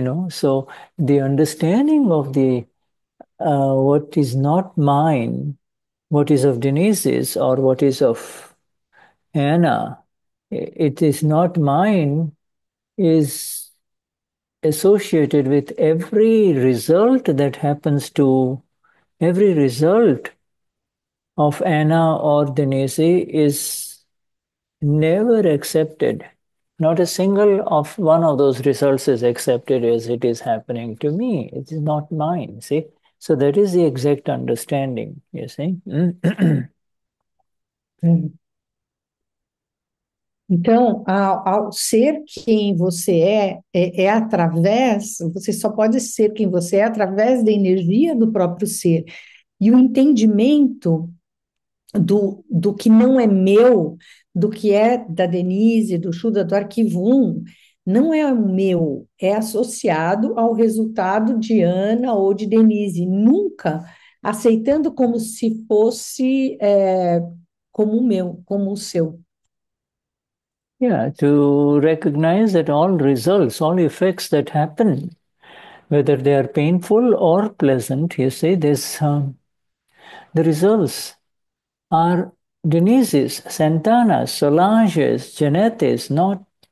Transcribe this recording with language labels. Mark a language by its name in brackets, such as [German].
[English] So the understanding of the what is not mine, what is of Denise's, or what is of Anna, it is not mine, is associated with every result of Anna or Denise is never accepted. Not a single of one of those results is accepted as it is happening to me. It is not mine, see? So that is the exact understanding, you see? [Portuguese] Então, ao ser quem você é através, você só pode ser quem você é através da energia do próprio ser. E o entendimento do que não é meu, do que é da Denise, do Shuddha, do Arquivo 1, não é meu, é associado ao resultado de Ana ou de Denise, nunca aceitando como se fosse. Como o meu, como o seu. [English] To recognize that all results, all effects that happen, whether they are painful or pleasant, you see, the results are Denise's, Santana's, Solange's, Janete's, not,